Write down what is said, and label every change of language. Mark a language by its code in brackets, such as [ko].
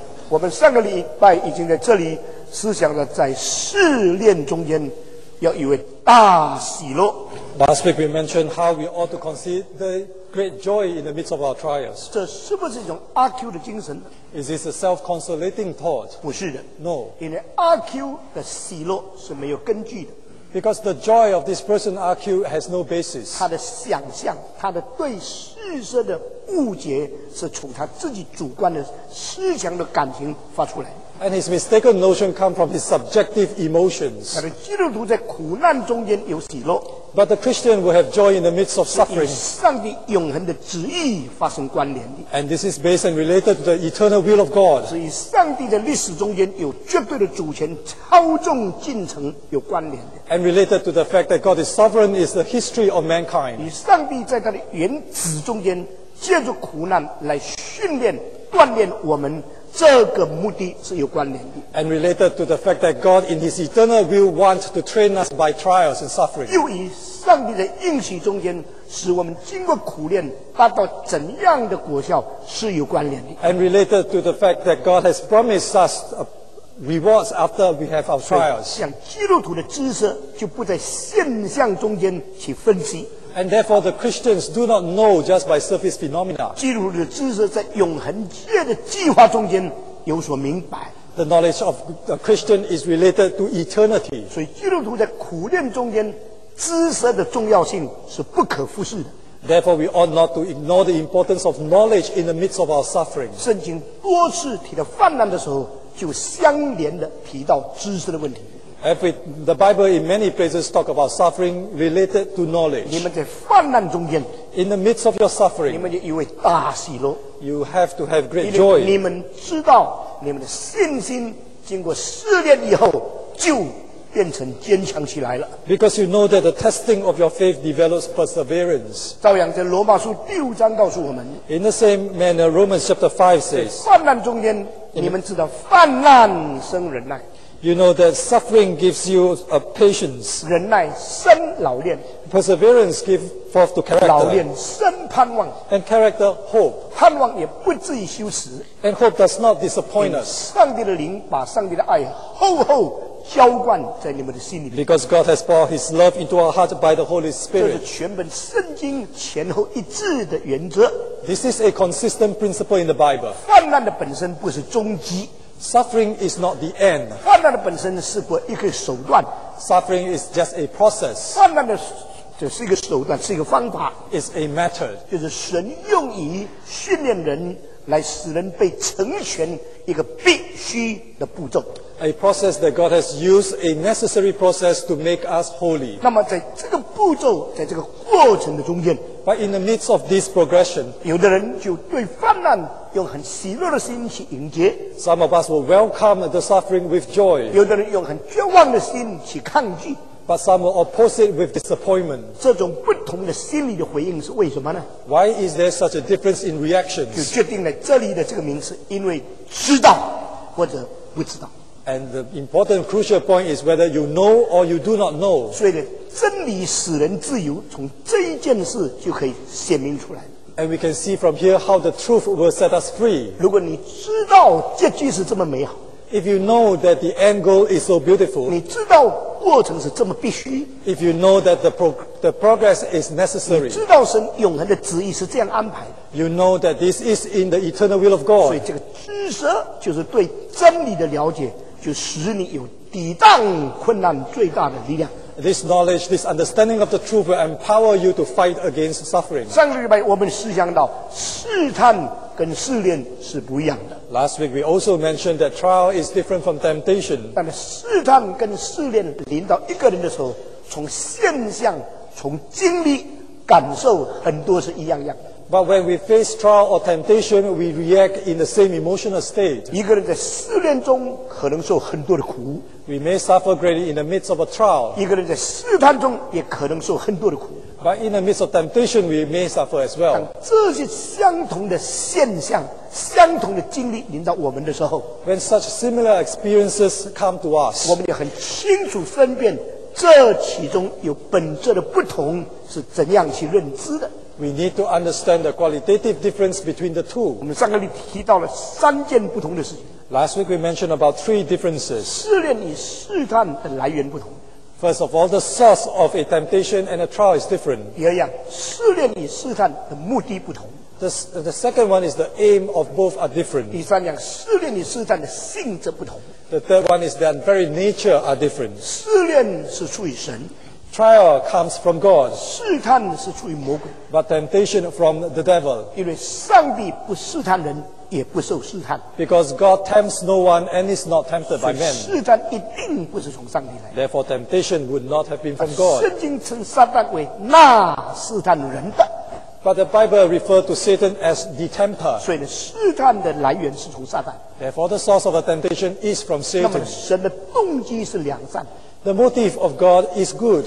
[zh] 我们上个礼拜已经在这里思想了，在试炼中间要有一位大喜乐。 [en] Last week we mentioned how we ought to consider great joy in the midst of our trials. [zh] 这是不是一种阿 Q 的精神 [en] ？Is this a self-consolating thought? [zh] 不是的 [en] ，No. [zh] 因为阿 Q 的喜乐是没有根据的。 [en] Because the joy of this person, RQ, has no basis. [zh] 他的想象，他的对事实的误解，是从他自己主观的思想的感情发出来。 [en] And his mistaken notion comes from his subjective emotions. [zh] 但是基督徒在苦难中间有喜乐。 [en] But the Christian will have joy in the midst of suffering. [zh] 与上帝永恒的旨意发生关联的。 [en] And this is based and related to the eternal will of God. [zh] 是与上帝的历史中间有绝对的主权操纵进程有关联的。 [en] And related to the fact that God is sovereign is the history of mankind. [zh] 与上帝在他的原旨中间借助苦难来训练锻炼我们这个目的是有关联的。 [en] And related to the fact that God in His eternal will wants to train us by trials and suffering. [zh] 又以上帝的应许中间使我们经过苦练达到怎样的果效是有关联的。 [en] And related to the fact that God has promised us rewards after we have our trials. [zh] 像基督徒的知识就不在现象中间去分析。 [en] And therefore, the Christians do not know just by surface phenomena. [zh] 基督的知识在永恒界的计划中间有所明白。 [en] The knowledge of the Christian is related to eternity. [zh] 所以基督徒在苦练中间知识的重要性是不可忽视的。 [en] Therefore, we ought not to ignore the importance of knowledge in the midst of our suffering. [zh] 圣经多次提到患难的时候，就相连的提到知识的问题。 [en] The Bible in many places talk about suffering related to knowledge. [zh] 你们在患难中间 [en] in the midst of your suffering, [zh] 你们就有位大喜乐 [en] you have to have great joy. [zh] 你们知道你们的信心经过试炼以后就变成坚强起来了 [en] because you know that the testing of your faith develops perseverance. [zh] 照样在罗马书第五章告诉我们 [en] in the same manner, Romans chapter 5 says, [zh] 患难中间你们知道患难生忍耐 [en] You know that suffering gives you a patience. [zh] 忍耐生老练 [en] Perseverance gives forth to character. [zh] 老练生盼望 [en] And character hope. [zh] 盼望也不至于羞耻 [en] And hope does not disappoint us. [zh] 上帝的灵把上帝的爱厚厚浇灌在你们的心里 [en] Because God has poured His love into our hearts by the Holy Spirit. [zh] 这是全本圣经前后一致的原则 [en] This is a consistent principle in the Bible. [zh] 患难的本身不是终极 [en] Suffering is not the end. [zh] 患难的本身是个一个手段。 [en] Suffering is just a process. [zh] 患难的只是一个手段，是一个方法。 [en] It's a method. [zh] 就是神用以训练人，来使人被成全一个必须的步骤。 [en] A process that God has used, a necessary process to make us holy. [zh] 那么在这个步骤，在这个过程的中间。 [en] But in the midst of this progression, [zh] 有的人就对患难用很喜乐的心去迎接。 [en] Some of us will welcome the suffering with joy. [zh] 有的人用很绝望的心去抗拒。 [en] But some will oppose it with disappointment. [zh] 这种不同的心理的回应是为什么呢 [en] ？Why is there such a difference in reactions? [zh] 就决定了这里的这个名词，因为知道或者不知道。 [en] And the important crucial point is whether you know or you do not know. [zh] 所以呢，真理使人自由，从这一件事就可以显明出来。 [en] And we can see from here how the truth will set us free. [zh] 如果你知道结局是这么美好 [en] ，If you know that the end goal is so beautiful， [zh] 你知道过程是这么必须 [en] ，If you know that the progress is necessary， [zh] 你知道神永恒的旨意是这样安排的。 [en] You know that this is in the eternal will of God. [zh] 所以这个知识就是对真理的了解，就使你有抵挡困难最大的力量。 [en] This knowledge, this understanding of the truth will empower you to fight against suffering. [zh] 上个礼拜我们思想到试探跟试炼是不一样的。 [en] Last week we also mentioned that trial is different from temptation. [zh] 但是试探跟试炼临到一个人的时候，从现象、从经历、感受很多是一样样的。 [en] But when we face trial or temptation, we react in the same emotional state. [zh] 一个人在试炼中可能受很多的苦。 [en] We may suffer greatly in the midst of a trial. [zh] 一个人在试探中也可能受很多的苦。 [en] But in the midst of temptation, we may suffer as well. [zh] 当这些相同的现象、相同的经历临到我们的时候 [en] ，When such similar experiences come to us, [zh] 我们也很清楚分辨这其中有本质的不同是怎样去认知的。 [en] We need to understand the qualitative difference between the two. [zh] 我们上个礼拜提到了三件不同的事情。 [en] Last week we mentioned about three differences. [zh] 试炼与试探的来源不同。 [en] First of all, the source of a temptation and a trial is different. [zh] 第二样，试炼与试探的目的不同。 [en] The second one is the aim of both are different. [zh] 第三样，试炼与试探的性质不同。 [en] The third one is that very nature are different. [zh] 试炼是出于神。 [en] Trial comes from God. [zh] 试探是出于魔鬼。 [en] But temptation from the devil. [zh] 因为上帝不试探人。也不受试探, [en] because God tempts no one and is not tempted by men. [zh] 试探一定不是从上帝来, [en] therefore, temptation would not have been from God. [zh] 圣经称撒旦为那试探人的, [en] but the Bible referred to Satan as the tempter. [zh] 所以呢, 试探的来源是从撒旦, [en] therefore, the source of the temptation is from Satan. [zh] 那么神的动机是良善, [en] the motive of God is good.